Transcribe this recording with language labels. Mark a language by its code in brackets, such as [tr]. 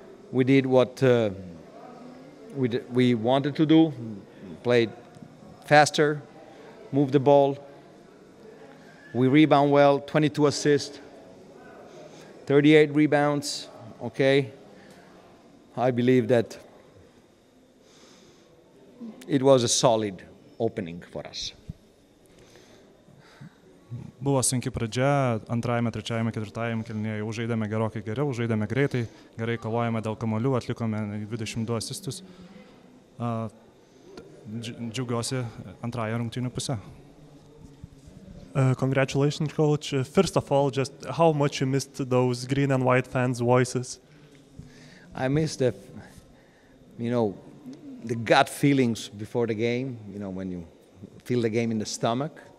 [en] We did what we wanted to do, played faster, moved the ball. We rebound well, 22 assists, 38 rebounds, okay. I believe that it was a solid opening for us. [lt] Buvo sunki pradžia, antrajame, trečiajame, ketvirtajame kelnyje jau žaidėme gerokai geriau, žaidėme greitai, gerai kovojame dėl kamuolių, atlikome 22 asistus. Džiaugiuosi antrajame rungtynių pusė. [en] Congratulations, coach. First of all, just how much you missed those green and white fans' voices? I missed the, you know, the gut feelings before the game, you know, when you feel the game in the stomach.